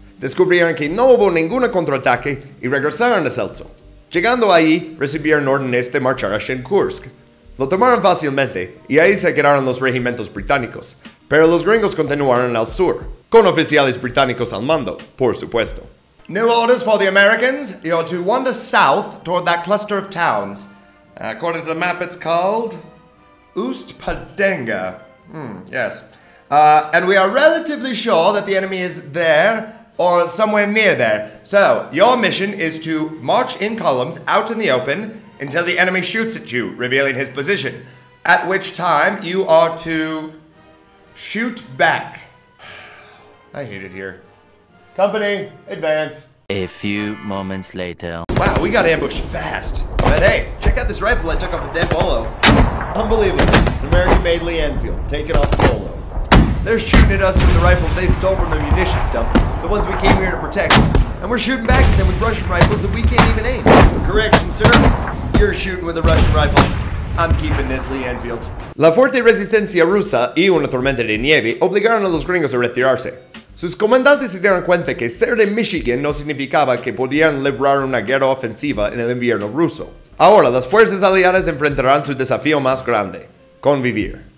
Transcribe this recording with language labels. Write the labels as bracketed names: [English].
[Spanish] Descubrieron que no hubo ningún contraataque y regresaron a Celso. Llegando ahí, recibieron órdenes de marchar a Shenkursk. Lo tomaron fácilmente y ahí se quedaron los regimientos británicos, pero los gringos continuaron al sur, con oficiales británicos al mando, por supuesto. [English] New orders for the Americans. You're to wander south toward that cluster of towns. According to the map, it's called Ust-Padenga. Yes. And we are relatively sure that the enemy is there or somewhere near there. So, your mission is to march in columns out in the open until the enemy shoots at you, revealing his position. At which time, you are to shoot back. I hate it here. Company, advance. A few moments later. Wow, we got ambushed fast. But hey, check out this rifle I took off a dead Bolo. Unbelievable. An American-made Lee Enfield, taken off Bolo. They're shooting at us with the rifles they stole from the munitions dump, the ones we came here to protect. And we're shooting back at them with Russian rifles that we can't even aim. Correction, sir. You're shooting with a Russian rifle. I'm keeping this Lee Enfield. [Spanish] La fuerte resistencia rusa y una tormenta de nieve obligaron a los gringos a retirarse. Sus comandantes se dieron cuenta que ser de Michigan no significaba que podían librar una guerra ofensiva en el invierno ruso. Ahora, las fuerzas aliadas enfrentarán su desafío más grande, convivir.